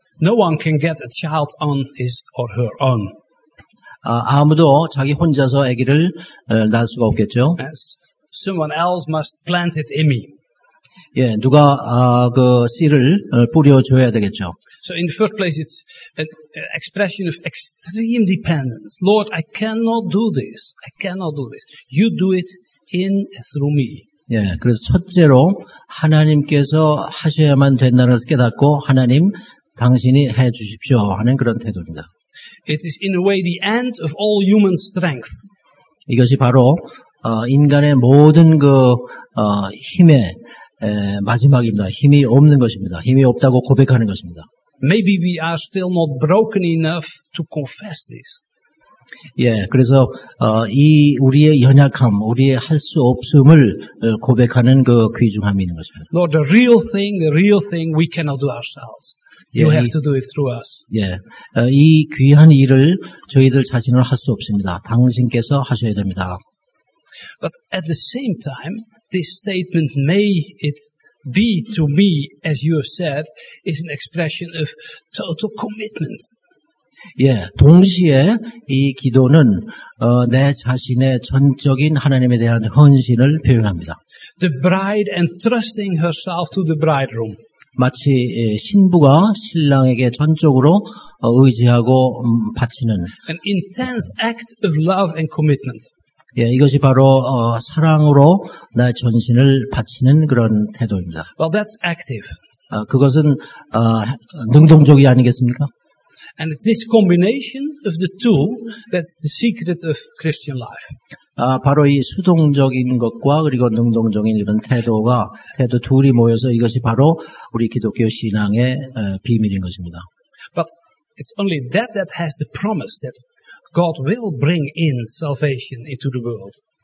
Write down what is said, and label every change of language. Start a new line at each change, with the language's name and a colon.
English: No one can get a child on his or her own.
Korean: 아무도 자기 혼자서 아기를 낳을 수가 없겠죠.
English: Someone else must plant it in me.
Korean: 예, 누가 그 씨를 뿌려줘야 되겠죠.
English: So in the first place, it's an expression of extreme dependence. Lord, I cannot do this. I cannot do this. You do it in and through me.
Korean: 예, 그래서 첫째로 하나님께서 하셔야만 된다는 것을 깨닫고 하나님 당신이 해 주십시오 하는 그런 태도입니다.
English: It is in a way the end of all human strength.
Korean: 이것이 바로 인간의 모든 그 힘의 마지막입니다. 힘이 없는 것입니다. 힘이 없다고 고백하는 것입니다.
English: Maybe we are still not broken enough to confess this.
Korean: 예, 그래서 이 우리의 연약함, 우리의 할 수 없음을 고백하는 그 귀중함이 있는 것입니다.
English: Lord, the real thing we cannot do ourselves. You have to do it through us.
Korean: 예, 이 귀한 일을 저희들 자신으로 할 수 없습니다. 당신께서 하셔야 됩니다.
English: But at the same time, this statement, may it be to me as you have said, is an expression of total commitment.
Korean: 예, 동시에 이 기도는 내 자신의 전적인 하나님에 대한 헌신을 표현합니다.
English: The bride entrusting herself to the bridegroom.
Korean: 마치 신부가 신랑에게 전적으로 의지하고 바치는
English: An intense act of love and commitment.
Korean: 예, 이것이 바로 사랑으로 나의 전신을 바치는 그런 태도입니다.
English: Well, that's active.
Korean: 그것은 능동적이 아니겠습니까?
English: And it's this combination of the two that's the secret of Christian life.
Korean: 바로 이 수동적인 것과 그리고 능동적인 이런 태도 둘이 모여서 이것이 바로 우리 기독교 신앙의 비밀인 것입니다.
English: But it's only that has the promise that God will bring in salvation into the world.